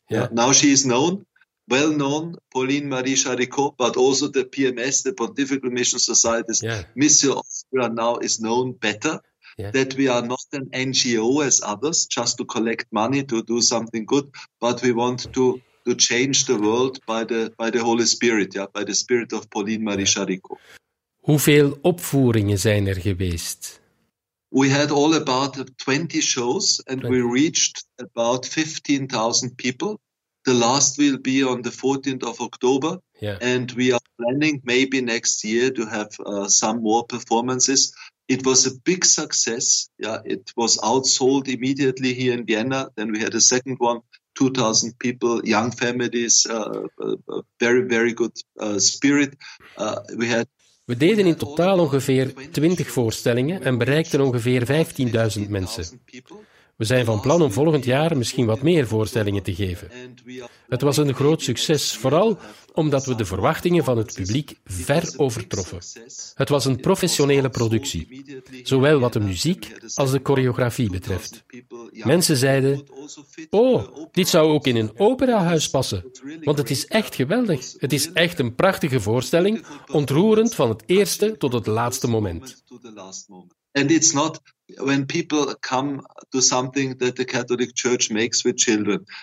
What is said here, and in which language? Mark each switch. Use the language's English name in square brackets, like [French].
[English] Now she is known, well known, Pauline Marie Jaricot, but also the PMS, the Pontifical Mission Societies, Mission Austria now is known better. That we are not an NGO as others, just to collect money to do something good, but we want to change the world by the Holy Spirit, by the spirit of Pauline Marie Jaricot. [Dutch] Hoeveel opvoeringen zijn er geweest? [English] We had all about 20 shows and 20. We reached about 15,000 people. The last will be on the 14th of October. And we are planning maybe next year to have some more performances. It was a big success. It was outsold immediately here in Vienna. Then we had a second one. 2,000 people, young families, very, very good spirit. [Dutch] We deden in totaal ongeveer 20 voorstellingen en bereikten ongeveer 15.000 mensen. We zijn van plan om volgend jaar misschien wat meer voorstellingen te geven. Het was een groot succes, vooral omdat we de verwachtingen van het publiek ver overtroffen. Het was een professionele productie, zowel wat de muziek als de choreografie betreft. Mensen zeiden, dit zou ook in een operahuis passen, want het is echt geweldig. Het is echt een prachtige voorstelling, ontroerend van het eerste tot het laatste moment. [English] And it's not when people come to something that the Catholic Church makes with children.